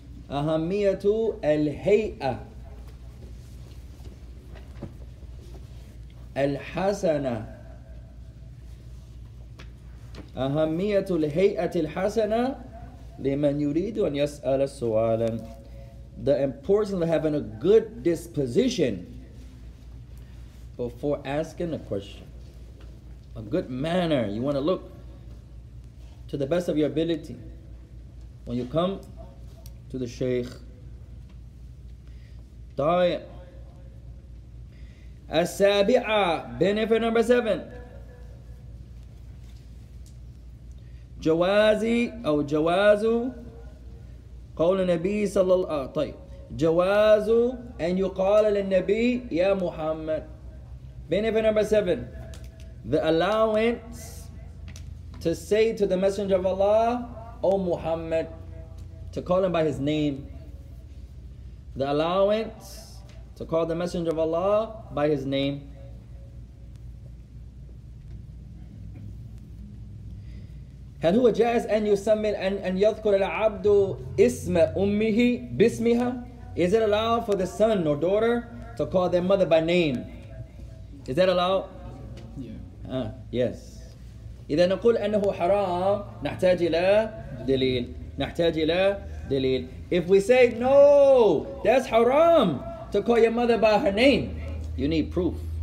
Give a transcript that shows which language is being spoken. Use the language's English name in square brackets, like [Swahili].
[Arabic] أهميته الهيئة الحسنة أهمية الهيئة الحسنة لمن يريد أن يسأل سؤالا. [English] The importance of having a good disposition before asking a question. A good manner. You want to look to the best of your ability when you come to the Shaykh. [Arabic] طيب. السابعة. [English] Benefit number 7. [Arabic] جوازي أو جوازو قول النبي صلى الله عليه وسلم. طيب جوازو أن يقال للنبي يا محمد. [English] Benefit number 7, the allowance to say to the messenger of Allah, O Muhammad, to call him by his name. The allowance to call the messenger of Allah by his name. [Arabic] هل هو جائز أن يسمي أن يذكر العبد اسم أمه باسمها؟ [English] Is it allowed for the son or daughter to call their mother by name? Is that allowed? Yeah. Yes. [Arabic] إذا نقول أنه حرام نحتاج إلى دليل. نحتاج إلى دليل. [English] If we say no, that's haram to call your mother by her name, you need proof.